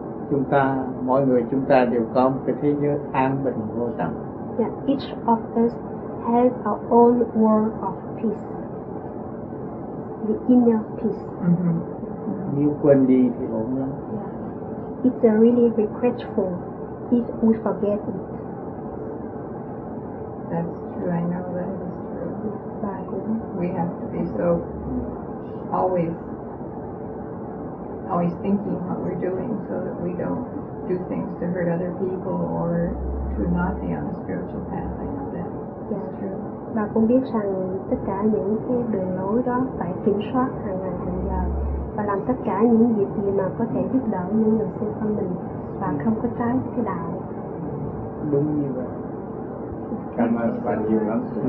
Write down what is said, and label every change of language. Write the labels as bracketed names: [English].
[Vietnamese] Chúng ta, mọi người chúng ta đều có một cái thế giới an bình vô tận. [English] Each of us has our own world of peace, the inner peace. [Vietnamese] Nếu quên đi thì ổn lắm. [English] It's a really regretful if we forget it. That's true, I know that is true. We have to be so always thinking what we're doing so that we don't do things to hurt other people or to not be on a spiritual path. I know that. That's true. [Vietnamese] Bà cũng biết rằng tất cả những cái đường lối đó phải kiểm soát hàng ngày hàng giờ và làm tất cả những việc gì mà có thể giúp đỡ những người xung quanh mình và không có trái cái đạo. Đúng như vậy. Cảm ơn bạn nhiều lắm.